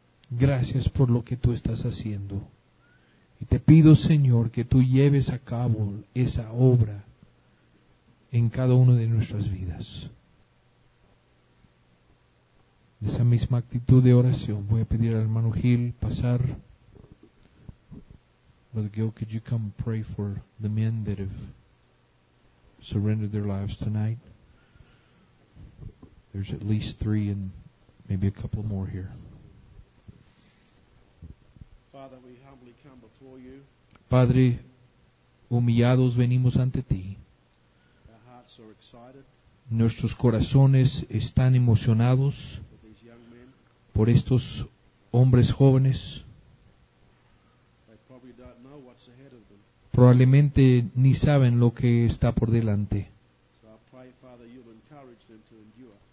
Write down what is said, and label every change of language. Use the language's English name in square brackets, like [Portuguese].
[Spanish] Gracias por lo que tú estás haciendo. Y te pido, Señor, que tú lleves a cabo esa obra en cada una de nuestras vidas. En esa misma actitud de oración, voy a pedir al hermano Gil pasar. [English] Brother Gil, could you come pray for the men that have surrendered their lives tonight? There's at least 3 and maybe a couple more here. Father, we humbly come before you. [Spanish] Padre, humillados venimos ante ti. [English] Our hearts are excited. [Spanish] Nuestros corazones están emocionados por estos hombres jóvenes. [English] They probably don't know what's ahead of them. [Spanish] Probablemente ni saben lo que está por delante. [English] So I pray, Father, you'll encourage them to endure.